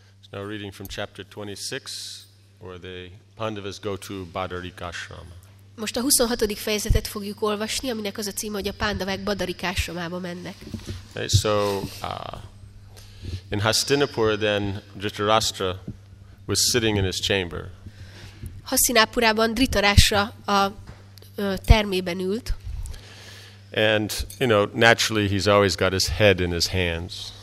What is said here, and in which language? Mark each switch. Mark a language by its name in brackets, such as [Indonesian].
[English] Now reading from chapter 26, where the Pandavas go to Badarik Ashrama. [Hungarian] Most a 26. fejezetet fogjuk olvasni, aminek az a címe, hogy a Pandavák Badarik Ashramába mennek. [English] Okay, so in Hastinapura then Dhritarashtra was sitting in his chamber. [Hungarian] Hastinapurában Dhritarashtra a termében ült. [English] And you know, naturally he's always got his head in his hands.